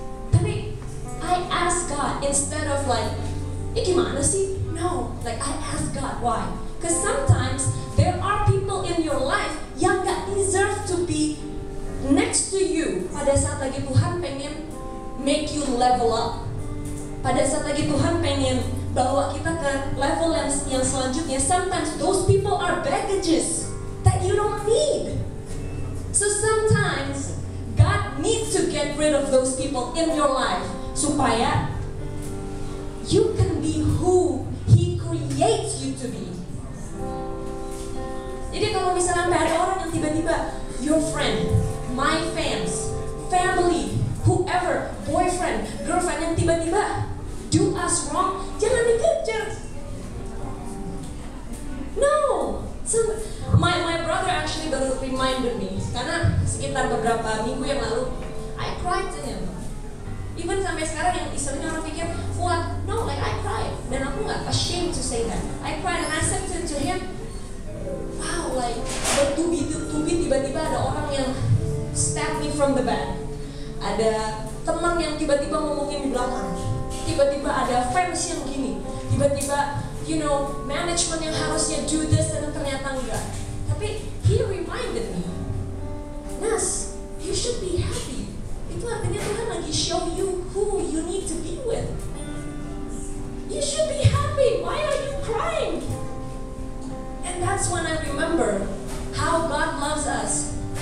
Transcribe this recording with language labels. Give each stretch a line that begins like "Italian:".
Indonesian: Tapi
English: I ask God instead of like,
Indonesian: eh gimana sih?
English: No, like I ask God why. Because sometimes there are people in your life
Indonesian: yang gak
English: deserve to be next to you.
Indonesian: Pada saat lagi Tuhan pengen
English: make you level up.
Indonesian: Pada saat lagi Tuhan pengen bawa kita ke level yang selanjutnya.
English: Sometimes those people are baggages that you don't need. So sometimes God needs to get rid of those people in your life supaya you can be who He creates you to be.
Indonesian: Jadi kalau misalnya ada orang yang tiba-tiba
English: your friend, my fans, family, whoever, boyfriend, girlfriend
Indonesian: yang tiba-tiba
English: do us wrong,
Indonesian: jangan dikejar.
English: No. So my brother actually
Indonesian: baru
English: reminded me,
Indonesian: karena sekitar beberapa minggu yang lalu
English: I cried to him.
Indonesian: Even sampai sekarang yang istilahnya orang pikir
English: what? No, like I cried.
Indonesian: Dan aku nggak
English: ashamed to say that. I cried and I said to him, wow, like
Indonesian: bertubi-tubi tiba-tiba ada orang yang
English: stab me from the back.
Indonesian: Ada teman yang tiba-tiba ngomongin di belakang. Tiba-tiba ada fans yang gini. Tiba-tiba,
English: you know,
Indonesian: management yang harusnya
English: do this
Indonesian: dan ternyata enggak. Tapi
English: he reminded me, Nas, you should be happy.
Indonesian: Itu artinya Tuhan lagi
English: show you who you need to be with. You should be happy. Why are you crying? And that's when I remember how God loves us.